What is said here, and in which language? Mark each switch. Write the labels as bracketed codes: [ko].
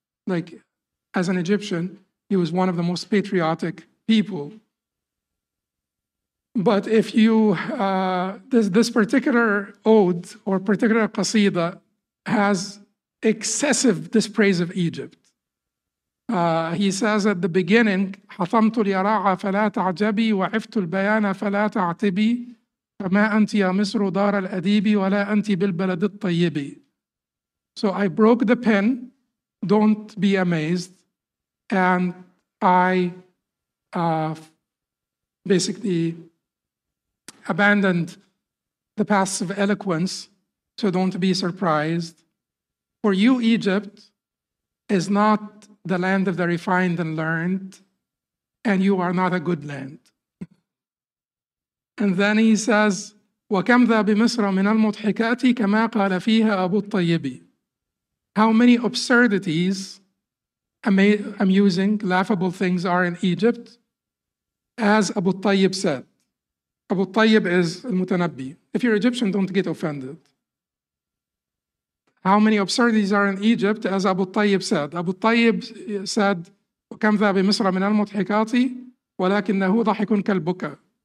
[en] Like, as an Egyptian, he was one of the most patriotic people. But if you, this particular ode or particular qasida has excessive dispraise of Egypt. He says at the beginning, [ar] حَطَمْتُ الْيَرَاعَ فَلَا تَعْجَبِي وَعِفْتُ الْبَيَانَ فَلَا تَعْتِبِي فَمَا أَنْتِ يَا مِصْرُ دَارَ الْأَدِيبِ وَلَا أَنْتِ بِالْبَلَدِ الطَّيِّبِ. [en] So I broke the pen, don't be amazed, and I basically abandoned the paths of eloquence, so don't be surprised. For you, Egypt is not the land of the refined and learned, and you are not a good land. And then he says, [ar] وَكَمْ ذَا بِمِصْرَ مِنَ الْمُضْحِكَاتِ كَمَا قَالَ فِيهَا أَبُو الطَّيِّبِ. [en] How many absurdities, amusing, laughable things are in Egypt, as Abu Tayyib said. Abu Tayyib is al-Mutanabbi. If you're Egyptian, don't get offended. How many absurdities are in Egypt, as Abu Tayyib said? Abu Tayyib said, [ar] وَكَمْ ذَا بِمِصْرَ مِنَ الْمُضْحِكَاتِ وَلَكِنَّهُ ضَحِكٌ كَالْبُكَى.